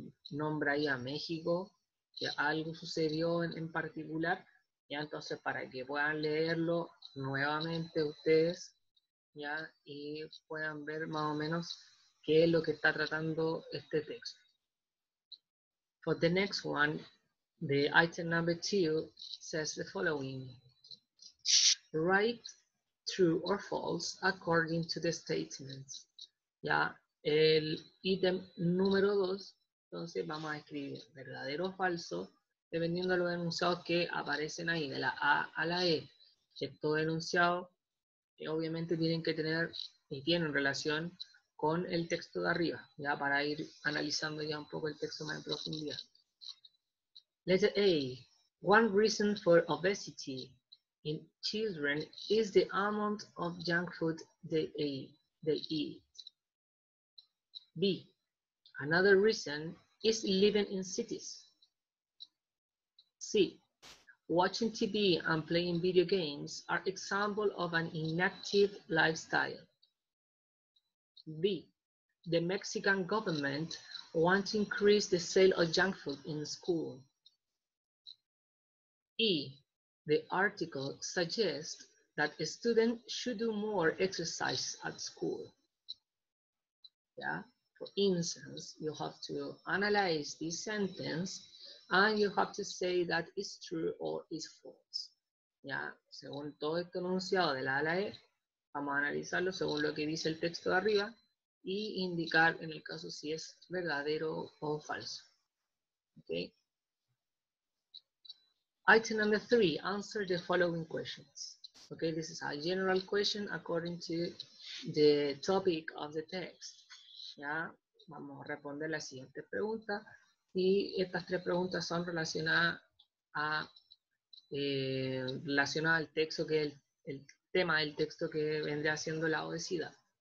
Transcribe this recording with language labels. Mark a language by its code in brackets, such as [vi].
[es] Nombra ahí a México, que algo sucedió en particular. ¿Ya? Entonces, para que puedan leerlo nuevamente ustedes, ¿ya? Y puedan ver más o menos qué es lo que está tratando este texto. [en] For the next one, the item number 2 says the following. Write true or false according to the statements. [es] Ya, el ítem número 2, entonces vamos a escribir verdadero o falso, dependiendo de los enunciados que aparecen ahí, de la A a la E. Estos enunciados, obviamente tienen que tener y tienen relación con el texto de arriba, ya para ir analizando ya un poco el texto más en profundidad. [en] Letter A, one reason for obesity in children is the amount of junk food they eat. B, another reason is living in cities. C, watching TV and playing video games are example of an inactive lifestyle. D, the Mexican government wants to increase the sale of junk food in school. E, the article suggests that students should do more exercise at school. Yeah, for instance, you have to analyze this sentence and you have to say that it's true or it's false. [es] Ya, según todo este enunciado de la A a la E, vamos a analizarlo según lo que dice el texto de arriba y indicar en el caso si es verdadero o falso. [en] Okay. Item number three, answer the following questions. Okay, this is a general question according to the topic of the text. [es] Ya, vamos a responder la siguiente pregunta y estas tres preguntas son relacionadas a relacionada al texto que el tema del texto que vendría siendo la obesidad.